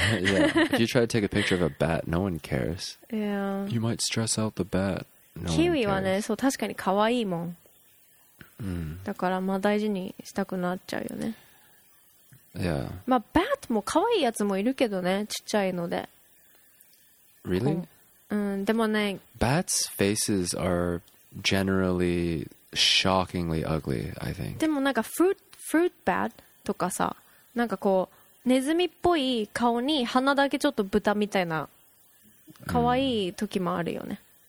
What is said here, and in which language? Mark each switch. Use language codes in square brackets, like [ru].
[en] Yeah. If you try to take a picture of a bat, no one cares. Yeah. You might stress out the bat. [ja] キウイはねそう確かに可愛いもん だからまあ大事にしたくなっちゃうよね [en] Yeah. [ja] まあバットも可愛いやつもいるけどねちっちゃいので [en] Really? [ja] でもね [en] Bats' faces are generally shockingly ugly, I think. [ja] でもなんかフルートバットとかさ、なんかこうネズミっぽい顔に鼻だけちょっと豚みたいな可愛い時もあるよね。